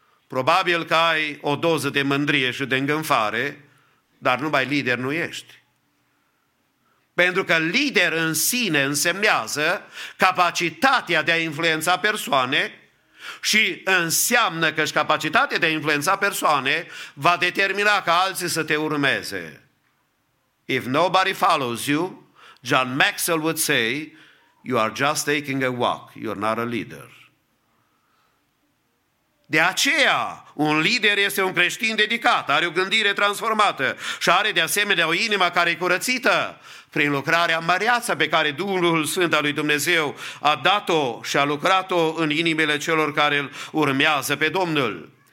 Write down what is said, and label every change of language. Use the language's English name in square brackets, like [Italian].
[Romanian] Probabil că ai o doză de mândrie și de îngânfare, dar numai lider nu ești. Pentru că lider în sine însemnează capacitatea de a influența persoane și înseamnă că și capacitatea de a influența persoane va determina ca alții să te urmeze. [English] If nobody follows you, John Maxwell would say, you are just taking a walk, you're not a leader. [Romanian] De aceea, un lider este un creștin dedicat, are o gândire transformată și are de asemenea o inimă care e curățită prin lucrarea măreață pe care Duhul Sfânt al lui Dumnezeu a dat-o și a lucrat-o în inimile celor care îl urmează pe Domnul.